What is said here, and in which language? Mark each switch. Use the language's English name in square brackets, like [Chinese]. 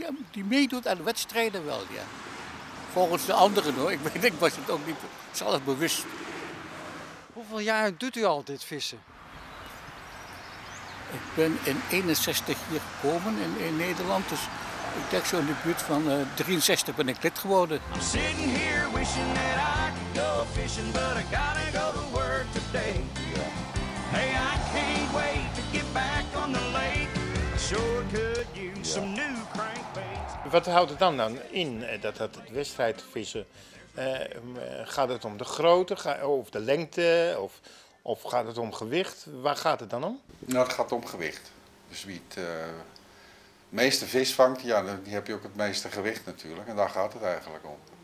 [Dutch] die meedoet aan de wedstrijden wel, ja. Volgens de anderen hoor, ik was het ook niet zelf bewust. Hoeveel jaar doet u al dit vissen? Ik ben in 61 hier gekomen in Nederland, dus ik denk zo in de buurt van 63 ben ik lid geworden. [English] I'm sitting here wishing that I could go fishing, but I gotta go to work today. Hey, I can't wait to get back on the lake. I sure could use some new crankbaits. [Dutch] Wat houdt het dan in dat het wedstrijdvissen? Gaat het om de grootte of de lengte? Of gaat het om gewicht? Waar gaat het dan om? Nou, het gaat om gewicht. Dus wie het meeste vis vangt, ja, die heb je ook het meeste gewicht natuurlijk. En daar gaat het eigenlijk om.